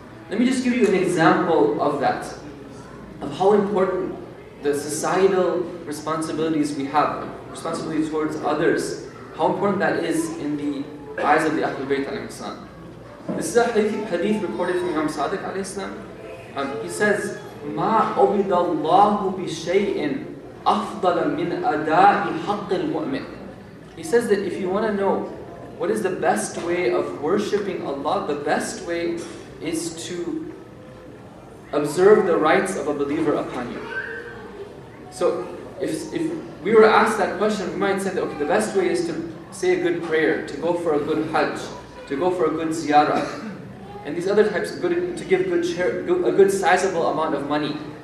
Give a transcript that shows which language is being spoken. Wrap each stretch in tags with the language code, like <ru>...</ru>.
<en>Let me just give you an example of that, of how important the societal responsibilities we have, responsibility towards others, how important that is in the eyes of the Ahlul Bayt alayhi salam. This is a hadith reported from Imam Sadiq alayhi salam. He says,</en> <ar>مَا عُبِدَ اللَّهُ بِشَيْءٍ أَفْضَلَ مِنْ أَدَاءِ حَقِّ الْمُؤْمِنِ.</ar> <en>He says that if you want to know what is the best way of worshipping Allah, the best way is to observe the rights of a believer upon you. So if we were asked that question, we might say that, okay, the best way is to say a good prayer, to go for a good hajj, to go for a good ziyarah, and these other types of good, to give good a good sizable amount of money.</en>